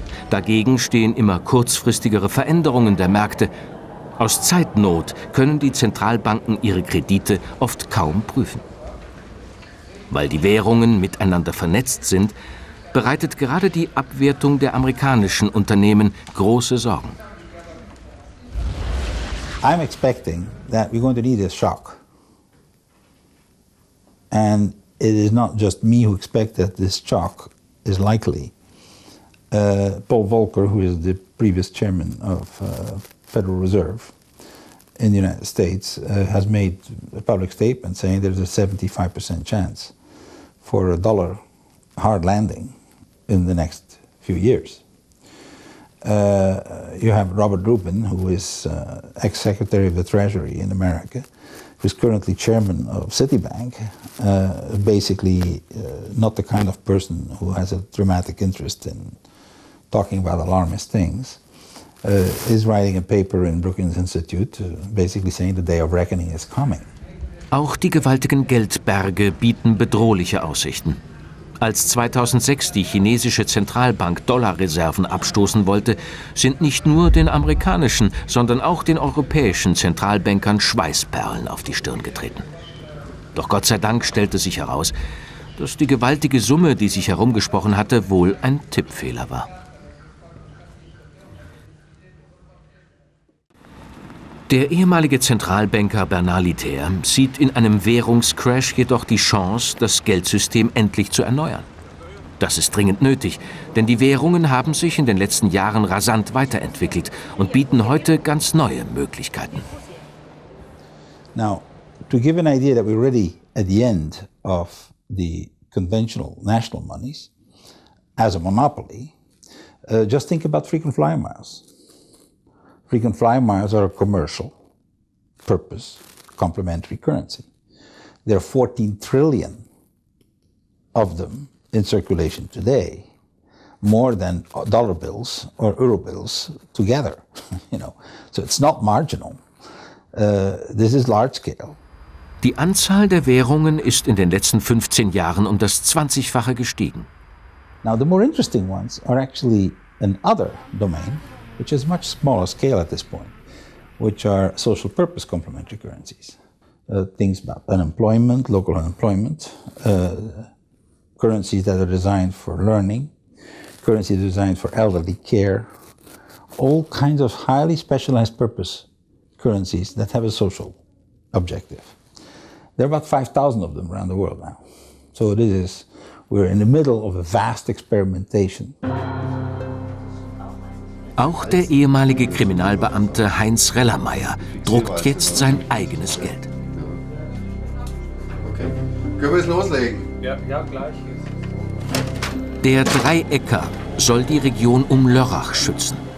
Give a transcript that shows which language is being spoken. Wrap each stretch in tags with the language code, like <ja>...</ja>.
<de>Dagegen stehen immer kurzfristigere Veränderungen der Märkte. Aus Zeitnot können die Zentralbanken ihre Kredite oft kaum prüfen. Weil die Währungen miteinander vernetzt sind, bereitet gerade die Abwertung der amerikanischen Unternehmen große Sorgen.</de> <en>I'm expecting that we're going to need a shock. And it is not just me who expect that this shock is likely. Paul Volcker, who is the previous chairman of Federal Reserve in the United States, has made a public statement saying there's a 75% chance for a dollar hard landing in the next few years. You have Robert Rubin, who is ex-secretary of the Treasury in America, who is currently chairman of Citibank, basically not the kind of person who has a dramatic interest in talking about alarmist things, is writing a paper in Brookings Institute, basically saying the day of reckoning is coming.</en> <de>Auch die gewaltigen Geldberge bieten bedrohliche Aussichten. Als 2006 die chinesische Zentralbank Dollarreserven abstoßen wollte, sind nicht nur den amerikanischen, sondern auch den europäischen Zentralbankern Schweißperlen auf die Stirn getreten. Doch Gott sei Dank stellte sich heraus, dass die gewaltige Summe, die sich herumgesprochen hatte, wohl ein Tippfehler war. Der ehemalige Zentralbanker Bernaliter sieht in einem Währungscrash jedoch die Chance, das Geldsystem endlich zu erneuern. Das ist dringend nötig, denn die Währungen haben sich in den letzten Jahren rasant weiterentwickelt und bieten heute ganz neue Möglichkeiten.</de> <en>Now, to give an idea that we're really at the end of the conventional national monies as a monopoly, just think about frequent flyer miles. Frequent flyer miles are a commercial purpose complementary currency. There are 14 trillion of them in circulation today, more than dollar bills or euro bills together, you know. So it's not marginal. This is large scale.</en> <de>Die Anzahl der Währungen ist in den letzten 15 Jahren um das 20-fache gestiegen.</de> <en>Now the more interesting ones are actually another domain, which is much smaller scale at this point, which are social purpose complementary currencies. Things about unemployment, local unemployment, currencies that are designed for learning, currencies designed for elderly care, all kinds of highly specialized purpose currencies that have a social objective. There are about 5,000 of them around the world now. So this is, we're in the middle of a vast experimentation.</en> <de>Auch der ehemalige Kriminalbeamte Heinz Rellermeier druckt jetzt sein eigenes Geld. Okay. Können wir es loslegen? Ja, gleich. Der Dreiecker soll die Region um Lörrach schützen.</de>